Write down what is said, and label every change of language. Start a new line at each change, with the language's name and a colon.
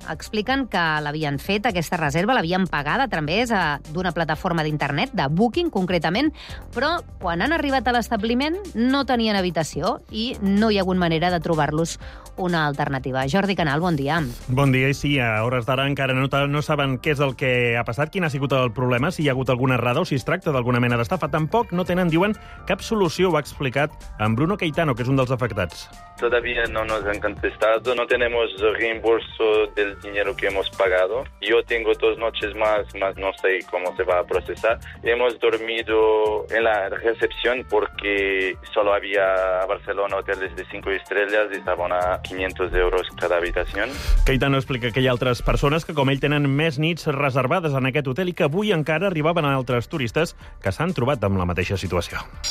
Catalan: Expliquen que l'havien fet, aquesta reserva, l'havien pagada a través d'una plataforma d'internet, de Booking concretament, però quan han arribat a l'establiment no tenien habitació i no hi ha hagut manera de trobar-los una alternativa. Jordi Canal, bon dia. Bon dia, i sí, a hores d'ara encara no saben què és el que ha passat, quin ha sigut el problema, si hi ha hagut alguna errada o si es tracta d'alguna mena d'estafa. Tampoc no tenen, diuen, cap solució, ho ha explicat en Bruno Caetano, que és un dels afectats.
Spanish: Todavía no nos han contestado, no tenemos reembolso del dinero que hemos pagado. Yo tengo dos noches más, mas no sé cómo se va a procesar. Hemos dormido en la recepción porque solo había a Barcelona hoteles de 5 estrellas y estaban a 500 euros cada habitación.
Catalan: Caetano explica que hi ha altres persones que, com ell, tenen més nits reservades en aquest hotel i que avui encara arribaven altres turistes que s'han trobat amb la mateixa situació.